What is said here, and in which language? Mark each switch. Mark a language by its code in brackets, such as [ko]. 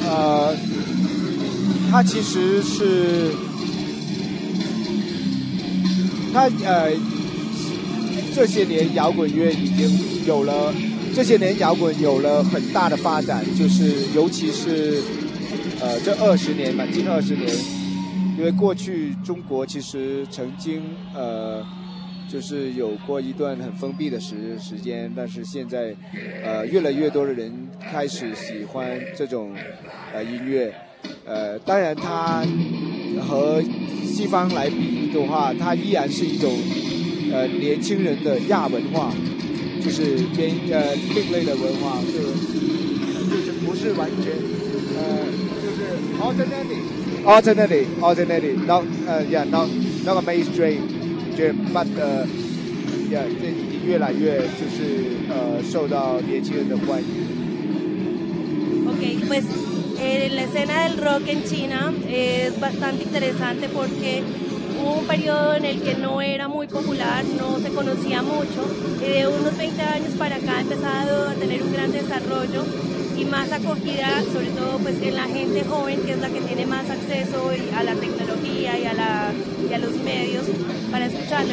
[es] ¿Qué es lo que está pasando en este momento? [zh] 这些年摇滚有了很大的发展，就是尤其是这二十年吧，近二十年，因为过去中国其实曾经就是有过一段很封闭的时间，但是现在越来越多的人开始喜欢这种音乐，当然它和西方来比的话，它依然是一种年轻人的亚文化，就是另类的文化，就是不是完全就是 [en] alternative，not a mainstream dream，but [zh] 这已经越来越就是受到年轻人的欢迎。 [es] Okay, pues. La escena del rock en China es bastante interesante porque hubo un periodo en el que no era muy popular, no se conocía mucho, y de unos 20 años para acá ha empezado a tener un gran desarrollo y más acogida, sobre todo pues en la gente joven, que es la que tiene más acceso a la tecnología y y a los medios para escucharlo.